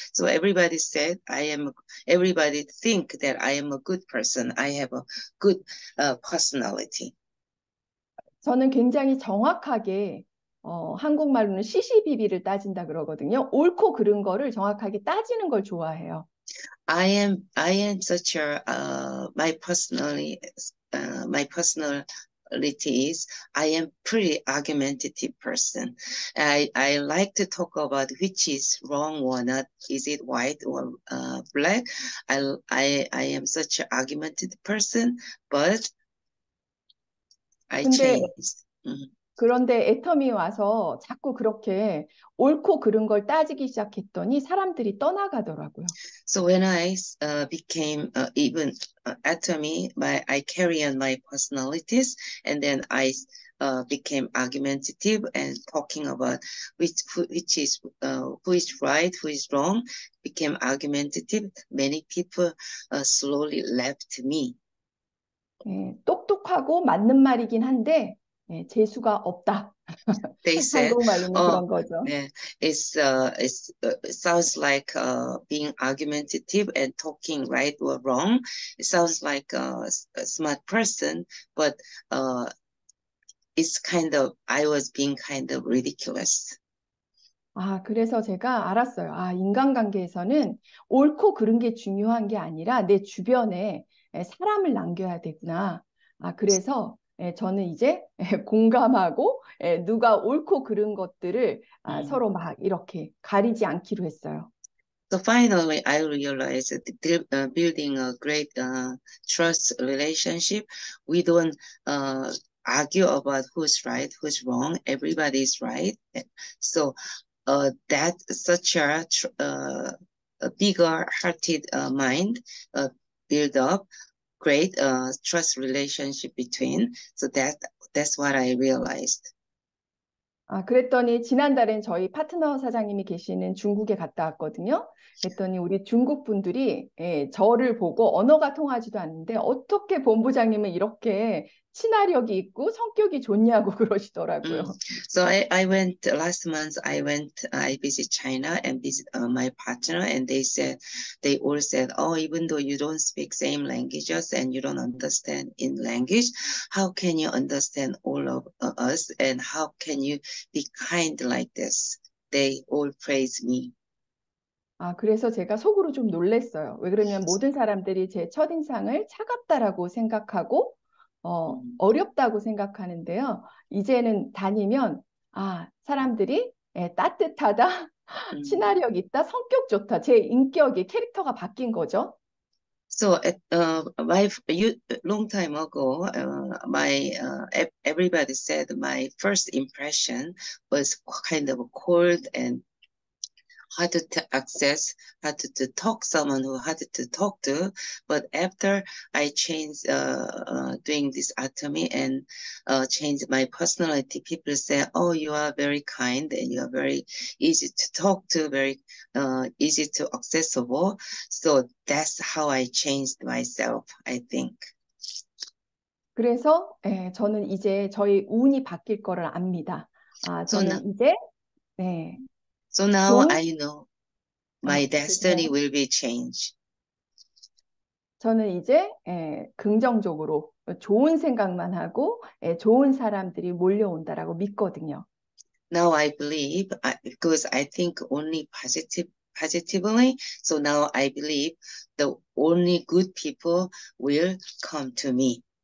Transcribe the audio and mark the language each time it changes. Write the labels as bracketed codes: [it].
[en] So everybody think that I am a good person. I have a good personality. [ko] 저는 굉장히 정확하게 한국말로는 시시비비를 따진다 그러거든요. 옳고 그른 거를 정확하게 따지는 걸 좋아해요. [en] I am such a my personality is I am pretty argumentative person. I like to talk about which is wrong or not. Is it white or black? I am such an argumentative person, but I changed. [ko] 그런데 애터미 와서 자꾸 그렇게 옳고 그른 걸 따지기 시작했더니 사람들이 떠나가더라고요. [en] So when I became even Atomy, I carry on my personalities, and then I became argumentative and talking about who is right, who is wrong, became argumentative. Many people slowly left me. [ko] 네, 똑똑하고 맞는 말이긴 한데 예, 재수가 없다. [en] They said, [ko] 한국말로는 그런 거죠. [en] Yeah, it sounds like being argumentative and talking right or wrong. It sounds like a smart person, but I was being kind of ridiculous. [ko] 아, 그래서 제가 알았어요. 아, 인간관계에서는 옳고 그른 게 중요한 게 아니라 내 주변에 사람을 남겨야 되구나. 아, 그래서 예, 저는 이제 공감하고 예, 누가 옳고 그른 것들을 아, 서로 막 이렇게 가리지 않기로 했어요. [en] So finally, I realized that building a great trust relationship, we don't argue about who's right, who's wrong. Everybody's right. So that's such a bigger-hearted mind build up great trust relationship between. So that's what I realized. [ko] 아, 그랬더니 지난달엔 저희 파트너 사장님이 계시는 중국에 갔다 왔거든요. 그랬더니 우리 중국 분들이 예, 저를 보고 언어가 통하지도 않는데 어떻게 본부장님은 이렇게 친화력이 있고 성격이 좋냐고 그러시더라고요. [en] So I went last month. I visit China and visit my partner, and they all said, "Oh, even though you don't speak same languages and you don't understand in language, how can you understand all of us? And how can you be kind like this?" They all praise me. [ko] 아, 그래서 제가 속으로 좀 놀랬어요. 왜 그러냐면 모든 사람들이 제 첫인상을 차갑다라고 생각하고, 어렵다고 생각하는데요. 이제는 다니면, 아, 사람들이 따뜻하다, 친화력 있다, 성격 좋다. 제 인격이, 캐릭터가 바뀐 거죠. [en] So at wife you long time ago my everybody said my first impression was kind of cold and hard to access, hard to talk someone who hard to talk to. But after I changed doing this atomy and changed my personality, people say, oh, you are very kind and you are very easy to talk to, very easy to accessible. So that's how I changed myself, I think. [ko] 그래서 예, 저는 이제 저희 운이 바뀔 거를 압니다. 아, [en] So now [ko] 저는 이제 네. [en] So now [ko] 좋은 [en] I know 아, my destiny 네. will be changed. [ko] 저는 이제 예, 긍정적으로 좋은 생각만 하고 예, 좋은 사람들이 몰려온다라고 믿거든요. [en] Now I believe because I think only positively. So now I believe the only good people will come to me.